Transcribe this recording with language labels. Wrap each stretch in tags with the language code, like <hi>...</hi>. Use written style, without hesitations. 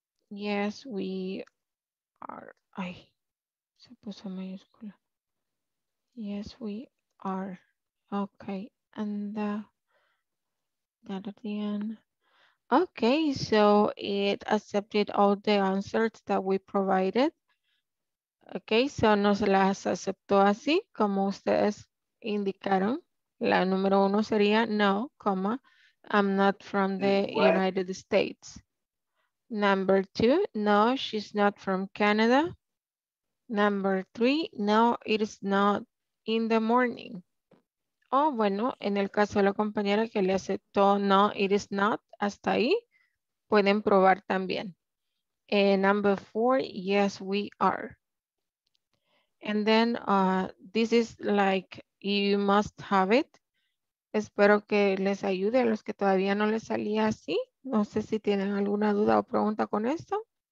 <en>Yes, we are.</en> <es>Ay, se puso mayúscula.</es> <en>Yes, we are. Ok, and the... That at the end. Okay, so it accepted all the answers that we provided.</en> <es>Okay, so nos las aceptó así, como ustedes indicaron. La número uno sería</es> <en>no, comma, I'm not from the United States. Number two, no, she's not from Canada. Number three, no, it is not in the morning.</en> <es>Oh, bueno, en el caso de la compañera que le aceptó,</es> <en>no, it is not,</en> <es>hasta ahí, pueden probar también.</es> <en>Number four, yes, we are. And then, this is like, you must have it.</en> <es>Espero que les ayude a los que todavía no les salía así. No sé si tienen alguna duda o pregunta con esto.</es>